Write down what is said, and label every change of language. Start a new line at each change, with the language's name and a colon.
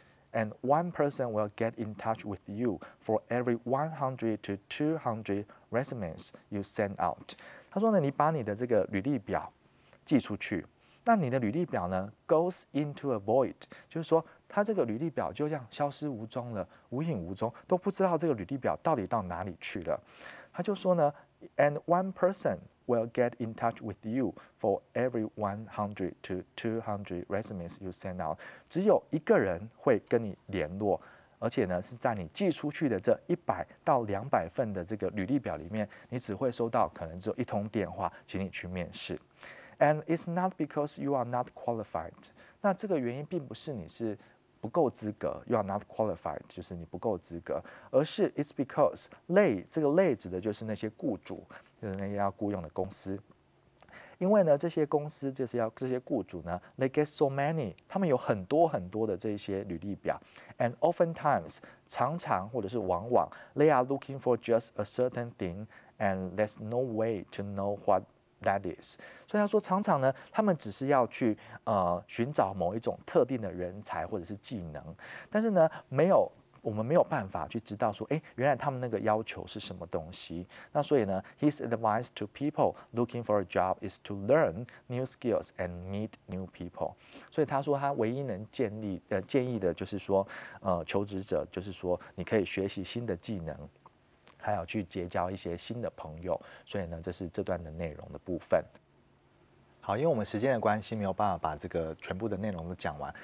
English: And one person will get in touch with you for every 100 to 200 resumes you send out.
Chinese: 他说呢，你把你的这个履历表寄出去，那你的履历表呢
English: goes into a void，
Chinese: 就是说他这个履历表就这样消失无踪了，无影无踪，都不知道这个履历表到底到哪里去了。他就说呢
English: ，And one person will get in touch with you for every 100 to 200 resumes you send out.
Chinese: 只有一个人会跟你联络，而且呢是在你寄出去的这100到200份的这个履历表里面，你只会收到可能只有一通电话，请你去面试。
English: And it's not because you are not qualified.
Chinese: 那这个原因并不是你是不够资格 ，
English: you are not qualified，
Chinese: 就是你不够资格，而是
English: it's because they
Chinese: 这个 they 指的就是那些雇主，就是那些要雇用的公司，因为呢这些公司就是要这些雇主呢 ，
English: they get so many，
Chinese: 他们有很多很多的这些履历表 ，
English: and oftentimes
Chinese: 常常或者是往往
English: they are looking for just a certain thing， and there's no way to know what。 That is，
Chinese: 所以他说常常呢他们只是要去寻找某一种特定的人才或者是技能，但是呢没有，我们没有办法去知道说原来他们那个要求是什么东西。那所以呢
English: his advice to people looking for a job is to learn new skills and meet new people。
Chinese: 所以他说他唯一能建议的就是说求职者就是说你可以学习新的技能，还要去结交一些新的朋友，所以呢，这是这段的内容的部分。好，因为我们时间的关系，没有办法把这个全部的内容都讲完。